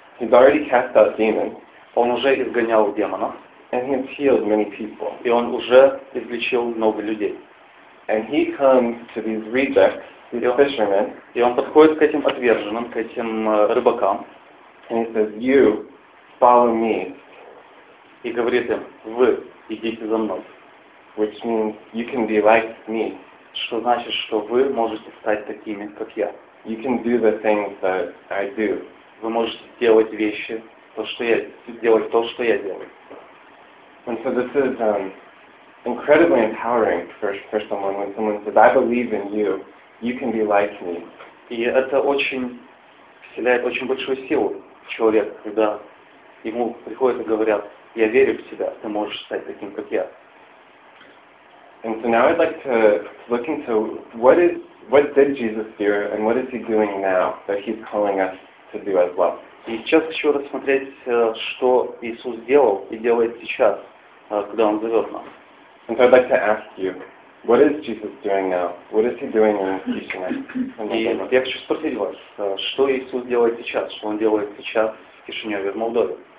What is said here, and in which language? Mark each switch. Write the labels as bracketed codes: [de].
[en] He's already cast out demons. [ru] Он уже изгонял демонов. [en] And he healed many people. [ru] И он уже излечил много людей. [en] And he comes to these rejects, these fishermen. [ru] И он подходит к этим отверженным, к этим рыбакам. [en] And he says, "You follow me." [ru] И говорит им, вы идите за мной. [en] Which means you can be like me. [ru] Что значит, что вы можете стать такими, как я. [en] You can do the things that I do. [ru] Вы можете делать вещи. То, что я делаю, то, что я делаю. [en] And so this is incredibly empowering for someone when someone says, "I believe in you. You can be like me." [ru] И это очень вселяет очень большую силу в человека, когда ему приходят и говорят, "Я верю в тебя. Ты можешь стать таким, как я." [en] And so now I'd like to look into what did Jesus do and what is he doing now that he's calling us to do as well. [ru] И сейчас хочу рассмотреть, что Иисус делал и делает сейчас, когда Он зовет нас. [en] And so I'd like to ask you, What is Jesus doing now? What is he doing in his teaching? [ru] Я хочу спросить вас, что Иисус делает сейчас? Что он делает сейчас в Кишиневе, в Молдове?